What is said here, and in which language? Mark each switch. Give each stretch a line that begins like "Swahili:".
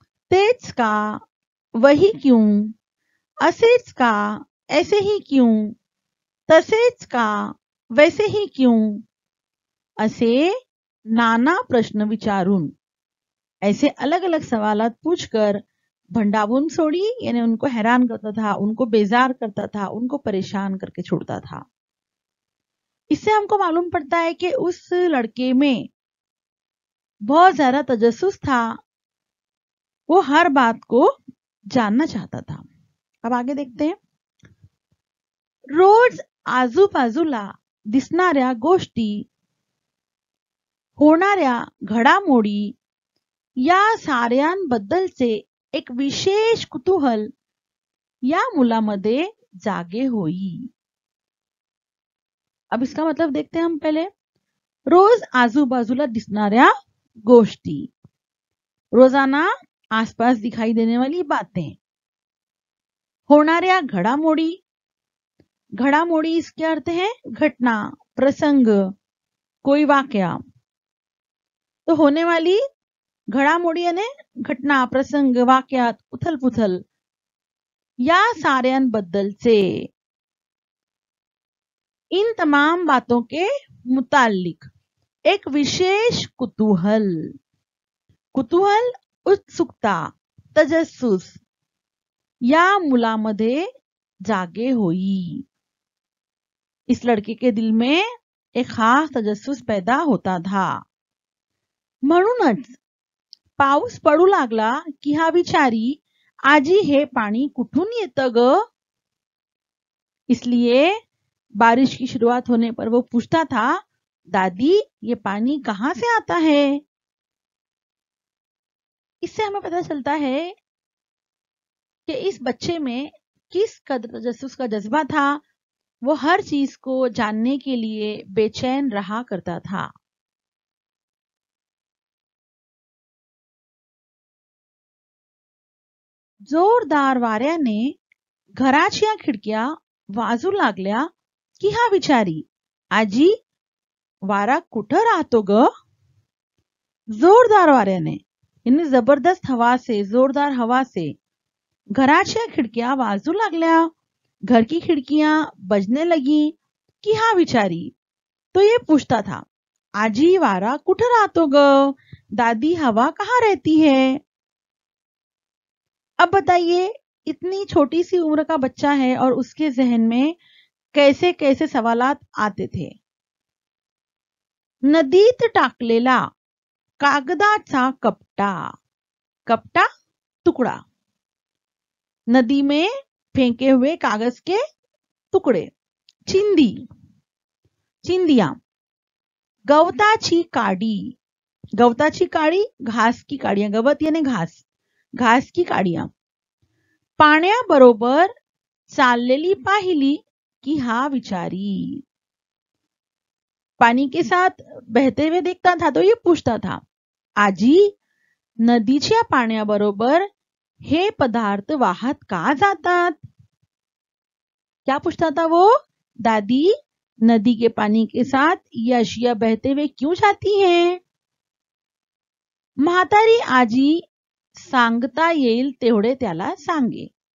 Marathi: तेच का,
Hindi: वही क्यों,
Marathi: असेच का,
Hindi: ऐसे ही क्यों,
Marathi: तसेच का,
Hindi: वैसे ही क्यों,
Marathi: असे नाना प्रश्न विचारून,
Hindi: ऐसे अलग अलग सवाल पूछकर
Marathi: भंडावून सोड़ी,
Hindi: यानी उनको हैरान करता था, उनको बेजार करता था, उनको परेशान करके छोड़ता था। इससे हमको मालूम पड़ता है कि उस लड़के में बहुत ज्यादा तजस्सुस था, वो हर बात को जानना चाहता था। अब आगे देखते हैं।
Marathi: रोज आजूबाजूला दिसणाऱ्या गोष्टी, होणाऱ्या घडामोडी या साऱ्यांबद्दलचे एक विशेष कुतूहल या मुलामध्ये जागे होई।
Hindi: अब इसका मतलब देखते हैं हम पहले।
Marathi: रोज आजूबाजूला दिसणाऱ्या गोष्टी,
Hindi: रोजाना आसपास दिखाई देने वाली बातें,
Marathi: होणाऱ्या घडामोडी, घडामोडी
Hindi: इसके अर्थ है घटना, प्रसंग, कोई वाक्या। तो होने वाली घड़ामोड़ी यानी घटना, प्रसंग, वाक्यात, उथल पुथल
Marathi: या साऱ्यान बद्दल
Hindi: से, इन तमाम बातों के मुतालिक एक विशेष कुतूहल।
Marathi: कुतूहल उत्सुकता, तजस्सुस या मुलामध्ये जागे होई।
Hindi: इस लड़के के दिल में एक खास तजस्सुस पैदा होता था।
Marathi: म्हणूनच पाऊस पडू लागला की हा बिचारी, आजी हे पाणी कुठून येतं ग?
Hindi: इसलिए बारिश की शुरुआत होने पर वो पूछता था, दादी ये पानी कहाँ से आता है? इससे हमें पता चलता है कि इस बच्चे में किस कदर तजस्सुस का जज्बा था। वो हर चीज को जानने के लिए बेचैन रहा करता था।
Marathi: जोरदार वाऱ्या ने घराच्या खिडक्या वाजू लागल्या की हा बिचारी, आजी वारा कुठं राहतो ग? जोरदार वाऱ्याने,
Hindi: यानी जबरदस्त हवा से, जोरदार हवा से
Marathi: घराच्या खिडक्या वाजू लागल्या,
Hindi: घर की खिडकियां बजने लगी
Marathi: की हा बिचारी।
Hindi: तो ये पूछता था,
Marathi: आजी वारा कुठं राहतो ग?
Hindi: दादी हवा कहाँ रहती है? अब बताइए, इतनी छोटी सी उम्र का बच्चा है और उसके जहन में कैसे कैसे सवालात आते थे।
Marathi: नदीत टाकलेला कागदाचा कपटा, कपटा
Hindi: तुकड़ा, नदी में फेंके हुए कागज के टुकड़े,
Marathi: चिंदी,
Hindi: चिंदिया।
Marathi: गवताची काडी, गवताची काडी
Hindi: घास की काडियां, गवत यानी घास, घास की काडियां।
Marathi: पाण्या बरोबर चाललेली पाहिली की हा विचारी,
Hindi: पानी के साथ बहते हुए देखता था तो ये पूछता था,
Marathi: आजी नदीच्या पाण्या बरोबर हे पदार्थ वाहत का जातात?
Hindi: क्या पूछता था वो, दादी नदी के पानी के साथ ये अशिया बहते हुए क्यों जाती हैं?
Marathi: म्हातारी आजी सांगता येईल तेवढे त्याला सांगे.